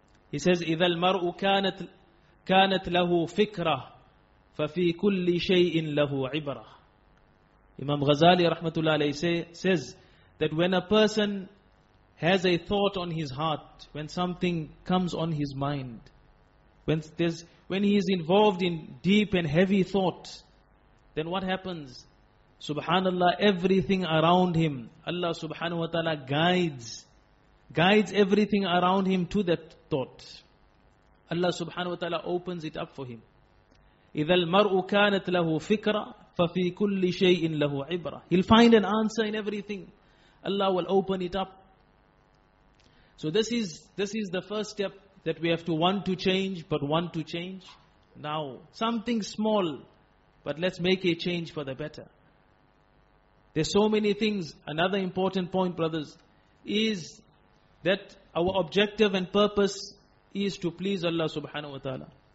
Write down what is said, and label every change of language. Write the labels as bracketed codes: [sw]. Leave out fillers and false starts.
[en] He says, [ar] إِذَا الْمَرْءُ كَانَتْ لَهُ فِكْرَةٌ فَفِي كُلِّ شَيْءٍ لَهُ عِبْرَةٌ [en] Imam Ghazali rahmatullah alayhi says that when a person has a thought on his heart, when something comes on his mind, when he is involved in deep and heavy thought, then what happens? Subhanallah, everything around him, Allah subhanahu wa ta'ala guides everything around him to that thought. Allah subhanahu wa ta'ala opens it up for him. [ar] إِذَا الْمَرْءُ كَانَتْ لَهُ فِكْرَةٌ فَفِي كُلِّ شَيْءٍ لَهُ عِبْرَةٌ [en] He'll find an answer in everything. Allah will open it up. So this is the first step that we have to want to change, but want to change now. Something small, but let's make a change for the better. There's so many things. Another important point, brothers, is that our objective and purpose is to please Allah subhanahu wa ta'ala.